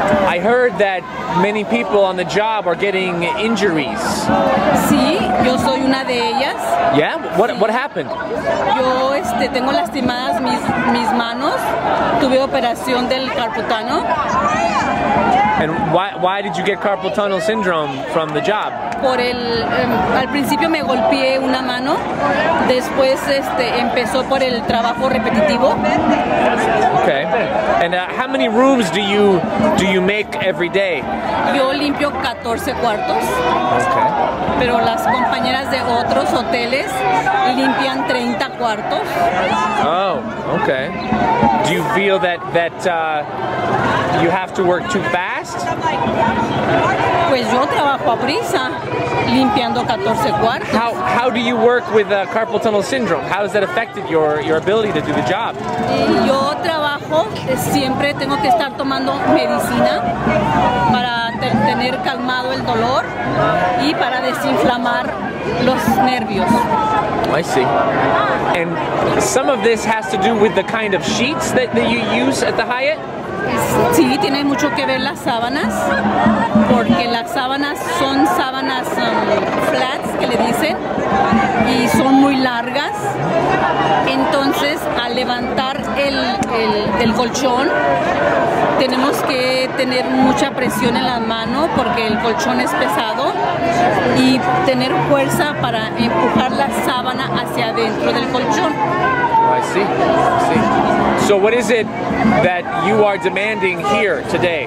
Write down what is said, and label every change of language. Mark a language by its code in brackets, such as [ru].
[en] I heard that many people on the job are getting injuries. [es] Sí, yo soy una de ellas. [en] Yeah? What happened? [es] Yo tengo lastimadas mis manos. Tuve operación del carpal tunnel. [en] And why did you get carpal tunnel syndrome from the job? [es] Por el al principio me golpeé una mano. Después empezó por el trabajo repetitivo. [en] Okay. And how many rooms do you make every day? [es] Yo limpio 14 cuartos. [en] Okay. [es] Pero las compañeras de otros hoteles limpian 30 cuartos. [en] Oh, okay. Do you feel that you have to work too fast? [es] Pues yo trabajo a prisa, limpiando 14 cuartos. [en] How do you work with carpal tunnel syndrome? How has that affected your ability to do the job? [es] Yo trabajo, siempre tengo que estar tomando medicina para tener calmado el dolor y para desinflamar los nervios. [en] I see. And some of this has to do with the kind of sheets that you use at the Hyatt? [es] Sí, tiene mucho que ver las sábanas, porque las sábanas son sábanas flats, que le dicen, y son muy largas. Entonces, al levantar el colchón, tenemos que tener mucha presión en la mano, porque el colchón es pesado, y tener fuerza para empujar la sábana hacia adentro del colchón. [en] I see. I see. So what is it that you are demanding here today?